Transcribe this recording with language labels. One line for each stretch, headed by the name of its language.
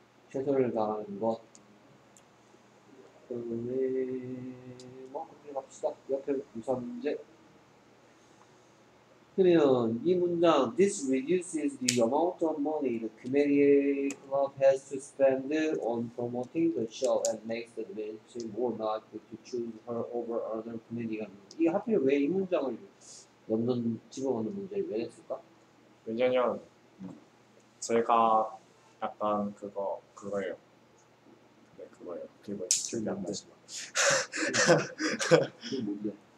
Korean: 최선을 다하는 것. 그다음에 뭐 그렇게 갑시다. 옆에 유사 문제. 그러면 이 문장
English: This reduces the amount of money the comedy club has to spend on promoting the show and makes the advantage more likely to choose her over other comedians.
Korean: 이 하필 왜 이 문장을 넘는 집어넣는 문제를 왜 했을까? 왜냐면 제가 약간 그거예요. 네, 그거예요. 그거 틀리 안 되지만. 이게 뭔데?